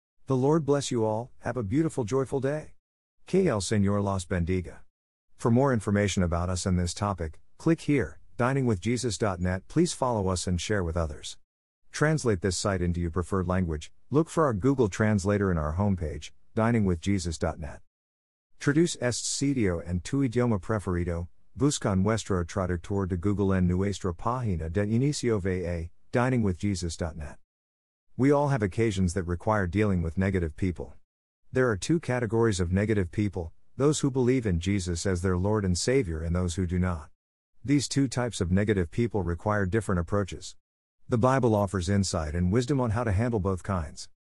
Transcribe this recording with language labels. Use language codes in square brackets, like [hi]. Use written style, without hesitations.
[en] The Lord bless you all, have a beautiful, joyful day. [es] Que el Señor los bendiga. [en] For more information about us and this topic, click here, diningwithjesus.net. Please follow us and share with others. Translate this site into your preferred language, look for our Google Translator in our homepage, diningwithjesus.net. [es] Traduce este sitio en tu idioma preferido, busca nuestro traductor de Google en nuestra página de inicio VA, diningwithjesus.net. [en] We all have occasions that require dealing with negative people. There are two categories of negative people, those who believe in Jesus as their Lord and Savior and those who do not. These two types of negative people require different approaches. The Bible offers insight and wisdom on how to handle both kinds.